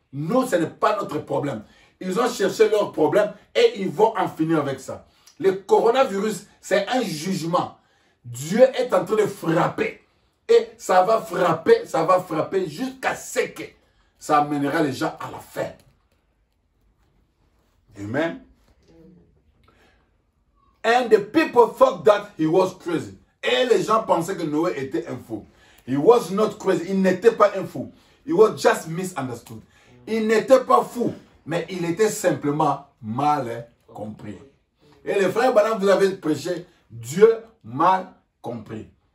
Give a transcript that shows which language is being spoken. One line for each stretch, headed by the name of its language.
French: Nous, ce n'est pas notre problème. Ils ont cherché leur problème et ils vont en finir avec ça. Le coronavirus, c'est un jugement. Dieu est en train de frapper. Et ça va frapper jusqu'à ce que ça amènera les gens à la fin. Amen.
English: And the people thought that he was crazy.
French: Et les gens pensaient que Noé était un fou.
English: He was not crazy.
French: Il n'était pas un fou.
English: He was just misunderstood.
French: Il n'était pas fou, mais il était simplement mal compris. Et les frères, madame, vous avez prêché Dieu mal compris.